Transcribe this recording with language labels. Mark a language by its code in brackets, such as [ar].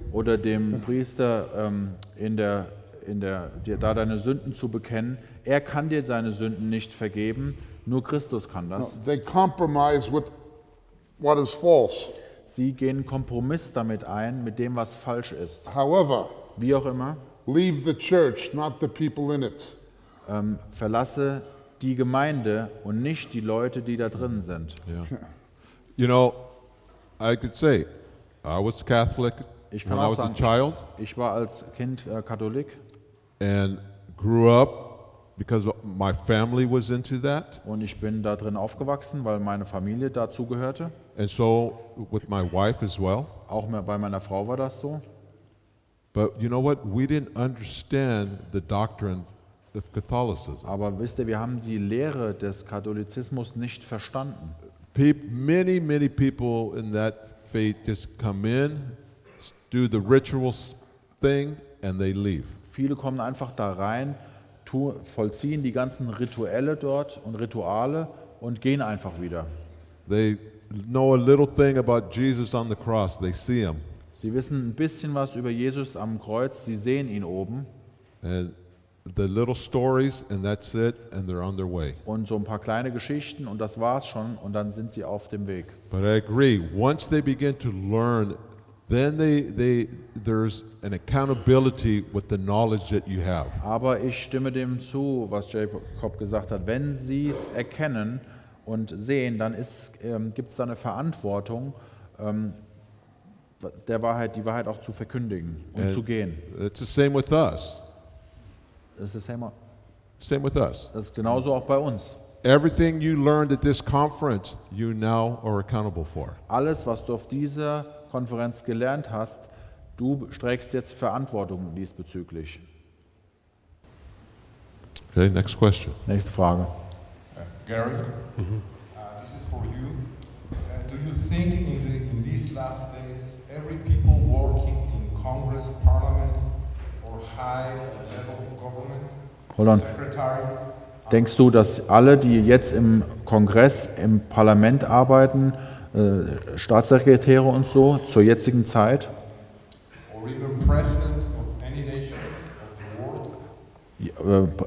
[de] Oder dem Priester da deine Sünden zu bekennen, er kann dir seine Sünden nicht vergeben, nur Christus kann das. [en] No, they compromise with what is false. [de] Sie gehen Kompromiss damit ein, mit dem, was falsch ist. [en] However, [de] wie auch immer, [en] leave the church, not the people in it. [de] Verlasse die Gemeinde und nicht die Leute, die da drin sind. [en] Yeah. You know, I could say, I was Catholic when I was [de] sagen, [en] a child. [de] Ich war als Kind Katholik. [en] And grew up because my family was into that. [de] Und ich bin da drin aufgewachsen, weil meine Familie dazu gehörte. [en] And so with my wife as well. [de] Auch bei meiner Frau war das so. [en] But you know what? We didn't understand the doctrine of Catholicism. [de] Aber wisst ihr, wir haben die Lehre des Katholizismus nicht verstanden. [en] Many, many people in that faith just come in, do the ritual thing, and they leave. [de] Viele kommen einfach da rein, vollziehen die ganzen Rituelle dort und Rituale und gehen einfach wieder. [en] They know a little thing about Jesus on the cross. They see him. [de] Sie wissen ein bisschen was über Jesus am Kreuz, sie sehen ihn oben. [en] And the little stories and that's it and they're on their way. [de] Und so ein paar kleine Geschichten und das war's schon und dann sind sie auf dem Weg. [en] But I agree, once they begin to learn, then they there's an accountability with the knowledge that you have. [de] Aber ich stimme dem zu, was Jacob gesagt hat, wenn sie es erkennen und sehen, dann ist gibt's da eine Verantwortung der Wahrheit, die Wahrheit auch zu verkündigen und [en] and [de] zu gehen. [en] It's the same with us. It's the same. Same with us. [de] Das ist genauso auch bei uns. [en] Everything you learned at this conference, you now are accountable for. [de] Alles, was du auf dieser Konferenz gelernt hast, du trägst jetzt Verantwortung diesbezüglich. [en] Okay, next question. [de] Nächste Frage. [en] Gary, this is for you. Do you think in these last days every people working in Congress, Parliament or high level government, hold on. [de] Denkst du, dass alle, die jetzt im Kongress, im Parlament arbeiten, Staatssekretäre und so, zur jetzigen Zeit, [en] or even President of any nation of the world,